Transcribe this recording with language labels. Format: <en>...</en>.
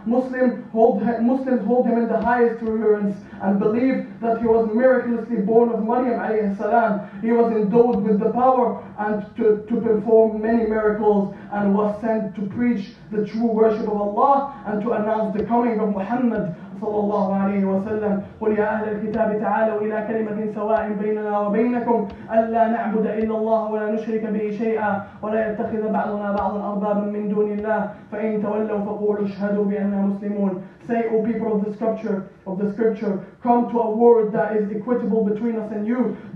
<en>Muslims hold him in the highest reverence and believe that he was miraculously born of Maryam alayhi salam. He was endowed with the power and to perform many miracles and was sent to preach the true worship of Allah and to announce the coming of Muhammad صلى الله عليه وسلم.</en> <ar>قل يا أهل الكتاب تعالوا إلى كلمة سواء بيننا وبينكم ألا نعبد إلا الله ولا نشرك به شيئا ولا يتخذ بعضنا بعضا أربابا من دون الله فإن تولوا فقولوا اشهدوا بأننا مسلمون.</ar> <en>Say, O people of the scripture, come to a word that is equitable between us and you.</en>